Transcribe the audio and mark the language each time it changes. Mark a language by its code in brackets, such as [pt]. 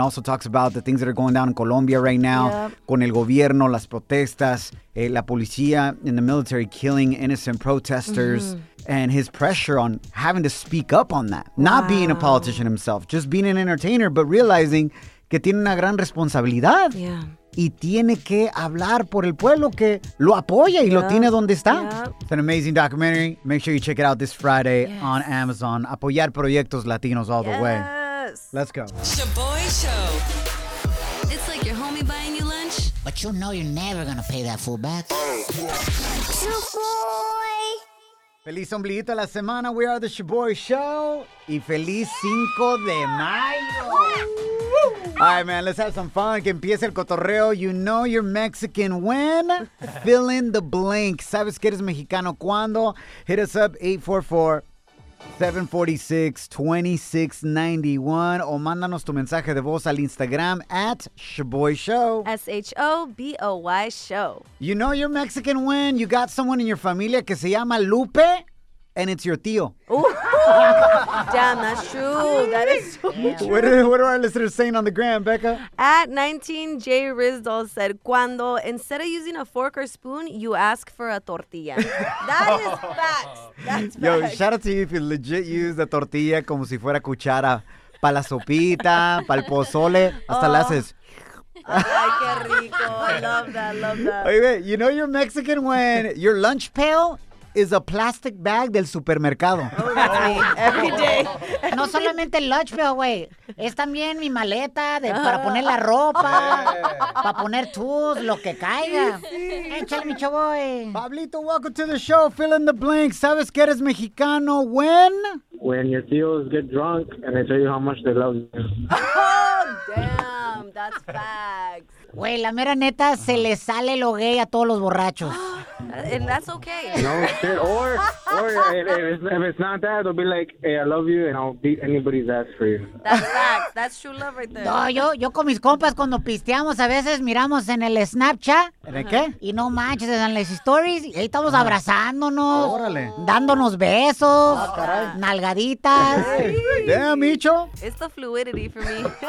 [en] Also talks about the things that are going down in Colombia right now. Yep. [es] Con el gobierno, las protestas, la policía [en] and the military killing innocent protesters. [es] Mm-hmm. [en] And his pressure on having to speak up on that. Wow. Not being a politician himself. Just being an entertainer, but realizing [es] que tiene una gran responsabilidad. [en] Yeah. [es] Y tiene que hablar por el pueblo que lo apoya y lo tiene donde está. [en] Yep. It's an amazing documentary. Make sure you check it out this Friday on Amazon. [es] Apoyar proyectos latinos [en] all the way. Let's go. Shaboy Show. It's like your homie buying you lunch. But you know you're never going to pay that full back. Shaboy. [es] Feliz ombliguito de la semana. [en] We are the Shaboy Show. [es] Y feliz Cinco de Mayo. [en] All right, man, let's have some fun. [es] Que empiece el cotorreo. [en] You know you're Mexican when? Fill in the blank. [es] ¿Sabes que eres mexicano cuando? [en] Hit us up, [es] 844-746-2691. O mándanos tu mensaje de voz al Instagram at Shaboy Show. [en] S-H-O-B-O-Y Show. You know you're Mexican when? You got someone in your familia [es] que se llama Lupe. [en] And it's your tío. Damn, that's true. That is so true. What are our listeners saying on the gram, Becca? At 19, J. Rizdal said, cuando, instead of using a fork or spoon, you ask for a tortilla. That is facts. That's Yo, facts. Shout out to you if you legit use the tortilla [es] como si fuera cuchara. Pa' la sopita, pa' el pozole. Hasta la haces. Ay, qué rico. [en] I love that. Oye, wait, you know you're Mexican when your lunch pail is a plastic bag [es] del supermercado. [en] Every day. [es] No solamente el lunch pail, güey. Es también mi maleta de, para poner la ropa, para poner tus, lo que caiga. Échale, mi chavo. [en] Pablito, welcome to the show. Fill in the blank. [es] ¿Sabes que eres mexicano? [en] When? When your tíos get drunk and they tell you how much they love you. Oh, damn. That's facts. [es] Güey, la mera neta, se le sale lo gay a todos los borrachos. [en] And that's okay. No shit. Or if it's not that, they'll be like, hey, I love you, and I'll beat anybody's ass for you. That's true love right there. [es] No, yo con mis compas, cuando pisteamos, a veces miramos en el Snapchat. ¿En el qué? Y no manches, en las stories, y ahí estamos abrazándonos. Órale. Dándonos besos. Ah, caray. Nalgaditas. [en] Hey. Damn, Micho. It's the fluidity for me.